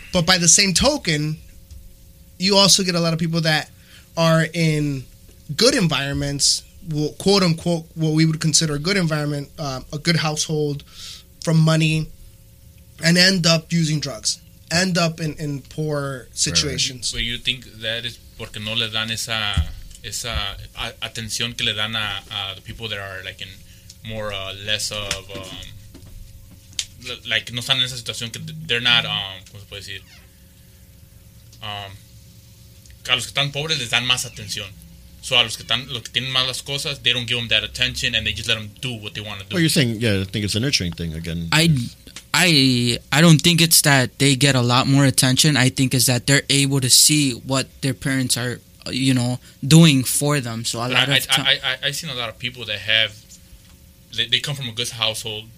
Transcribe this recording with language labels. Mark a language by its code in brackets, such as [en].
[en] But by the same token, you also get a lot of people that are in good environments, quote unquote, what we would consider a good environment, a good household from money, and end up using drugs. End up in poor situations. Right. But you think that is [es] porque no le dan esa atención que le dan a [en] the people that are like in more less of like [es] no están en esa situación que [en] they're not [es] ¿cómo se puede decir? A los que están pobres les dan más atención. [en] So [es] a los que tienen más las cosas, [en] they don't give them that attention and they just let them do what they want to do. Well, you're saying, I think it's a nurturing thing again. I don't think it's that they get a lot more attention. I think it's that they're able to see what their parents are, you know, doing for them. So a lot of I've seen a lot of people that have, they come from a good household.